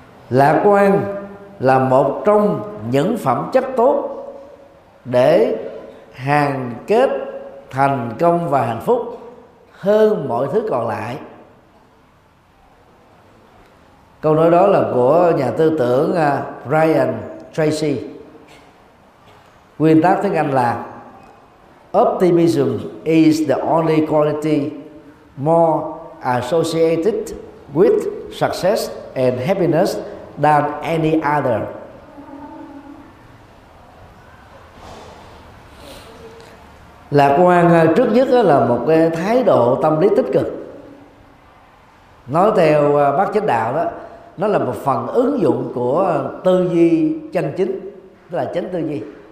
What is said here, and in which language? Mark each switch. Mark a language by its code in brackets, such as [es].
[vi] Lạc quan là một trong những phẩm chất tốt để hàn kết thành công và hạnh phúc hơn mọi thứ còn lại. Câu nói đó là của nhà tư tưởng Brian Tracy. Nguyên tắc tiếng Anh là [en] Optimism is the only quality more associated with success and happiness than any other. [vi] Lạc quan trước nhất là một cái thái độ tâm lý tích cực. Nói theo bác chánh đạo đó, nó là một phần ứng dụng của tư duy chân chính, tức là chánh tư duy.